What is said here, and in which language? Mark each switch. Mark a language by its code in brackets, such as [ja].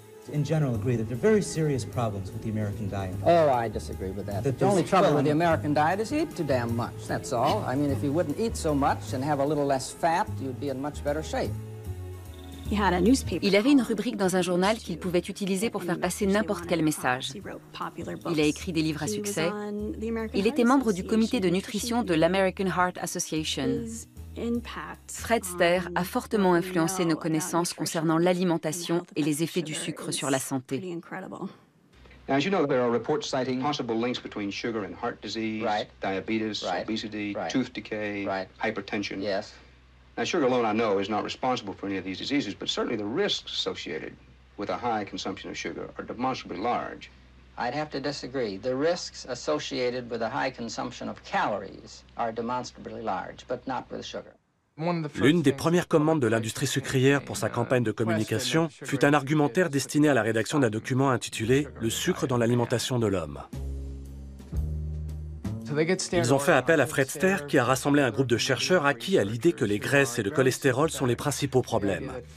[en] In general, agree that there are very serious problems with the American diet. Oh, I disagree with that. The only trouble with the American diet is you eat too damn much. That's all. I mean, if you wouldn't eat so much and have a little less fat, you'd be in much better shape. [fr] Il avait une rubrique dans un journal qu'il pouvait utiliser pour faire passer n'importe quel message. Il a écrit des livres à succès. Il était membre du comité de nutrition de l'American Heart Association. Fred Stare a fortement influencé nos connaissances concernant l'alimentation et les effets du sucre sur la santé. [en] Now, as you know, there are reports citing possible links between sugar and heart disease, right. Diabetes, right. Obesity, right. Tooth decay, right. Hypertension. Yes. Now, sugar alone, I know, is not responsible for any of these diseases, but certainly the risks associated with a high consumption of sugar are demonstrably large. I'd have to disagree. The risks associated with a high consumption of calories are demonstrably large, but not with sugar. [fr] L'une des premières commandes de l'industrie sucrière pour sa campagne de communication fut un argumentaire destiné à la rédaction d'un document intitulé « Le sucre dans l'alimentation de l'homme ». Ils ont fait appel à Fred Stare, qui a rassemblé un groupe de chercheurs acquis à l'idée que les graisses et le cholestérol sont les principaux problèmes.